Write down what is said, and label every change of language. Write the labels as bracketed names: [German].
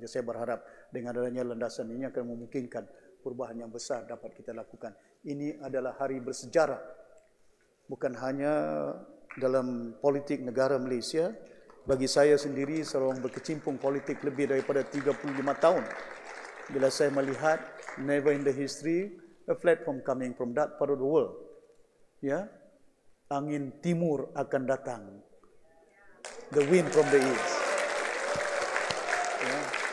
[Malay] Jadi saya berharap dengan adanya landasan ini akan memungkinkan perubahan yang besar dapat kita lakukan. Ini adalah hari bersejarah. Bukan hanya dalam politik negara Malaysia, bagi saya sendiri seorang berkecimpung politik lebih daripada 35 tahun. Bila saya melihat [English] never in the history a platform coming from that part of the world. Ya. Yeah? [Malay] Angin timur akan datang. [English] The wind from the east. Yeah.